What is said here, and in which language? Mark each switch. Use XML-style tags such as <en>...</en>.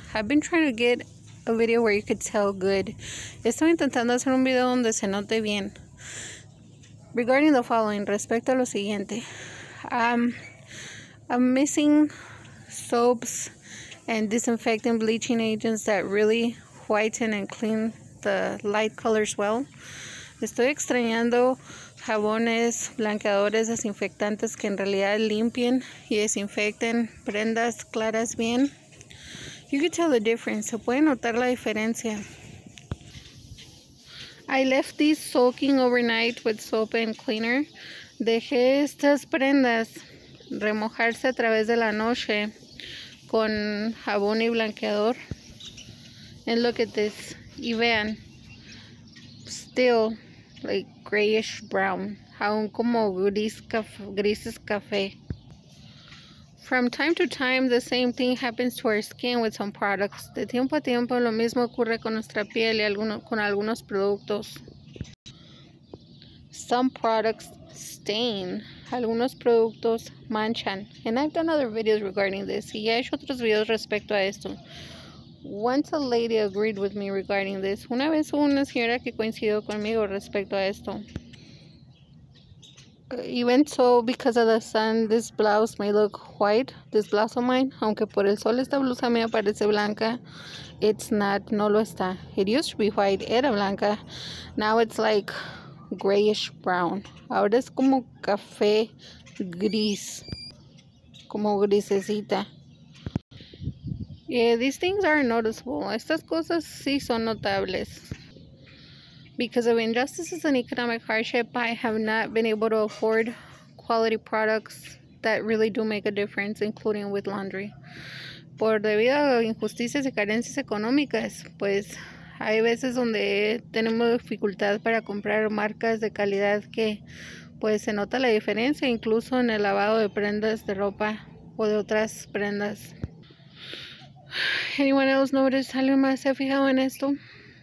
<en>I've been trying to get a video where you could tell good.</en> <es>Estoy intentando hacer un video donde se note bien.</es> <en>Regarding the following,</en> <es>respecto a lo siguiente.</es> <en>I'm missing soaps and disinfecting bleaching agents that really whiten and clean the light colors well.</en> <es>Estoy extrañando jabones, blanqueadores, desinfectantes que en realidad limpien y desinfecten prendas claras bien.</es> <en>You can tell the difference.</en> <es>Se puede notar la diferencia.</es> <en>I left these soaking overnight with soap and cleaner.</en> <es>Dejé estas prendas remojarse a través de la noche con jabón y blanqueador.</es> <en>And look at this.</en> <es>Y vean.</es> <en>Still, like grayish brown,</en> <es>aún como grises café.</es> <en>From time to time, the same thing happens to our skin with some products.</en> <es>De tiempo a tiempo, lo mismo ocurre con nuestra piel y con algunos productos.</es> <en>Some products stain.</en> <es>Algunos productos manchan.</es> <en>And I've done other videos regarding this.</en> <es>Y he hecho otros videos respecto a esto.</es> <en>Once a lady agreed with me regarding this.</en> <es>Una vez hubo una señora que coincidió conmigo respecto a esto.</es> <en>Even so, because of the sun, this blouse may look white. This blouse of mine,</en> <es>aunque por el sol esta blusa me parece blanca,</es> <en>it's not,</en> <es>no lo está.</es> <en>It used to be white,</en> <es>era blanca.</es> <en>Now it's like grayish brown.</en> <es>Ahora es como café gris. Como grisecita.</es> <en>Yeah, these things are noticeable.</en> <es>Estas cosas sí son notables.</es> <en>Because of injustices and economic hardship, I have not been able to afford quality products that really do make a difference, including with laundry.</en> <es>Por debido a injusticias y carencias económicas, pues hay veces donde tenemos dificultad para comprar marcas de calidad que pues se nota la diferencia incluso en el lavado de prendas de ropa o de otras prendas.</es> <en>Anyone else notice?</en> <es>¿Alguien más se ha fijado en esto?</es>